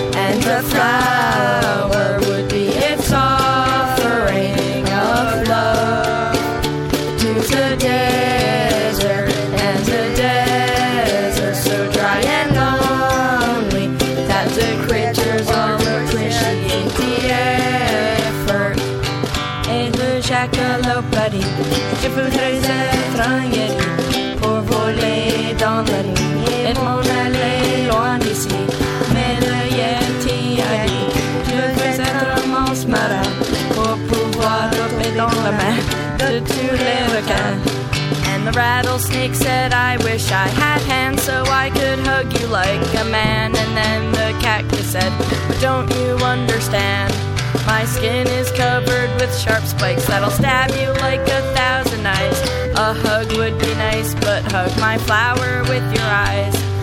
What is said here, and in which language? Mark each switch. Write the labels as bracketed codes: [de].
[en] And the flower would be its offering of love to the desert, and the desert so dry and lonely that the creatures all appreciate the effort. [fr] Et le jackalope a dit, je voudrais être un yeti pour voler dans la nuit et m'en aller loin d'ici. Mais le yeti a dit, je voudrais être un monstre marin pour pouvoir tomber dans la main de tous les requins. [en] And the rattlesnake said, I wish I had hands so I could hug you like a man. And then the cactus said, but don't you understand? My skin is covered with sharp spikes that'll stab you like a thousand knives. A hug would be nice, but hug my flower with your eyes.